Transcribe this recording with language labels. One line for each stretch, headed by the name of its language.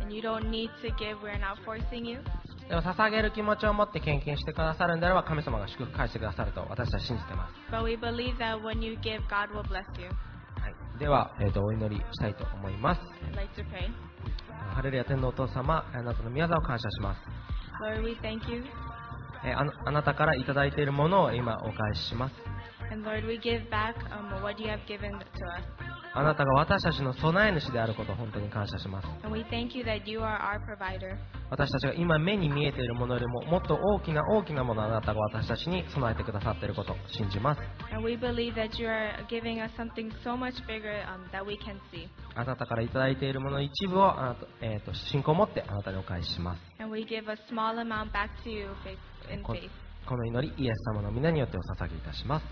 English: And you don't need to give, we're not forcing you.
Japanese: でも捧げる気持ちを持って献金してくださるんであれば神様が祝福返してくださると私は信じてます。
English: But we believe that when you give, God will bless you.
Japanese: はい、では、お祈りしたいと思います。
English: I'd like to pray.
Japanese: ハレルヤ天のお父様、あなたの御業を感謝します。
English: Lord, we thank you.
Japanese: あなたからいただいているものを今お返しします。
English: And Lord, we give back what you have given to us.
Japanese: あなたが私たちの備え主であることを本当に感謝します。
English: And we thank you that you are our provider.
Japanese: 私たちが今目に見えているものよりももっと大きな大きなものをあなたが私たちに備えてくださっていることを信じます。
English: And we believe that you are giving us something so much bigger that we can see.
Japanese: あなたからいただいているものの一部をあなた、信仰を持ってあなたにお返しします。
English: And we give a small amount back to you in faith.
Japanese: この祈りイエス様の御名によってお捧げいたします。